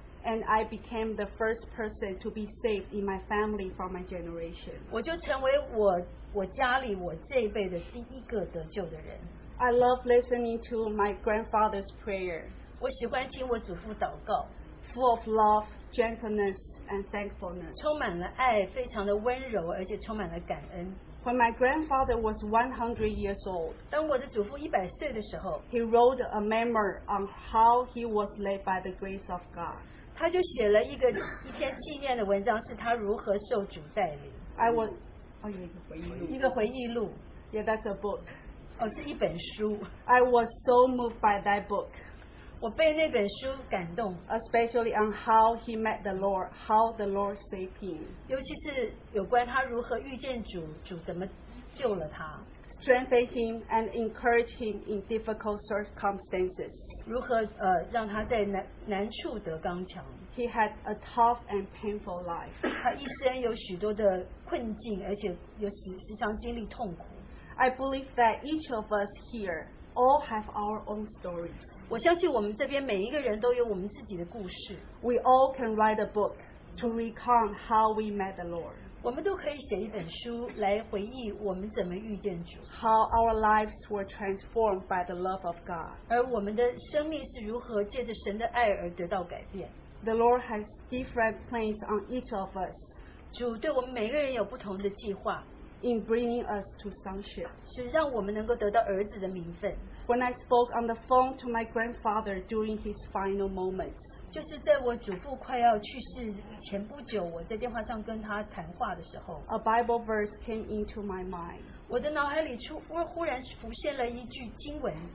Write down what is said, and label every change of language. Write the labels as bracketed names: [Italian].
[English] And I became the first person to be saved in my family from my generation. [Chinese] 我就成为我家里我这一辈的第一个得救的人。 [English] I love listening to my grandfather's prayer. [Chinese] 我喜欢听我祖父祷告, [English] full of love, gentleness, and thankfulness. [Chinese] 充满了爱, 非常的温柔, 而且充满了感恩。 [English] When my grandfather was 100 years old, [Chinese] 当我的祖父100岁的时候, [English] he wrote a memoir on how he was led by the grace of God. [Chinese] 他就写了一篇纪念的文章, 是他如何受主带领。 [English] I was, [Chinese] 一个回忆录。 [English] Yeah, that's a book. [Chinese] 是一本书。 [English] I was so moved by that book. [Chinese] 我被那本书感动, [English] especially on how he met the Lord, how the Lord saved him. [Chinese] 尤其是有关他如何遇见主, 主怎么救了他, [English] strengthen him and encourage him in difficult circumstances. [Chinese] 如何, 让他在难处得刚强。 [English] He had a tough and painful life. [Chinese] 他一生有许多的困境, 而且有时常经历痛苦。 [English] I believe that each of us here all have our own stories. [Chinese] 我相信我们这边每一个人都有我们自己的故事。 [English] We all can write a book to recount how we met the Lord. [Chinese] 我们都可以写一本书来回忆我们怎么遇见主。 [English] How our lives were transformed by the love of God. [Chinese] 而我们的生命是如何借着神的爱而得到改变。 [English] The Lord has different plans on each of us. [Chinese] 主对我们每个人有不同的计划。 [English] In bringing us to sonship. [Chinese] 是让我们能够得到儿子的名分。 [English] When I spoke on the phone to my grandfather during his final moments, [Chinese] 就是在我祖父快要去世前不久，我在电话上跟他谈话的时候， [English] a Bible verse came into my mind. [Chinese] 我的脑海里忽然浮现了一句经文，